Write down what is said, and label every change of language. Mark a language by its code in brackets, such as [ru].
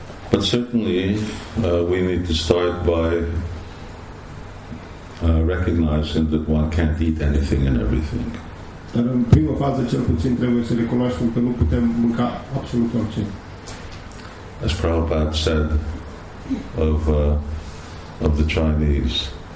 [en] But certainly, we need to start by recognizing that one can't eat anything and everything. [ro] Dar în prima fază, cel puțin, trebuie să recunoaștem că nu putem mânca absolut orice. [en] As Prabhupada said of the Chinese.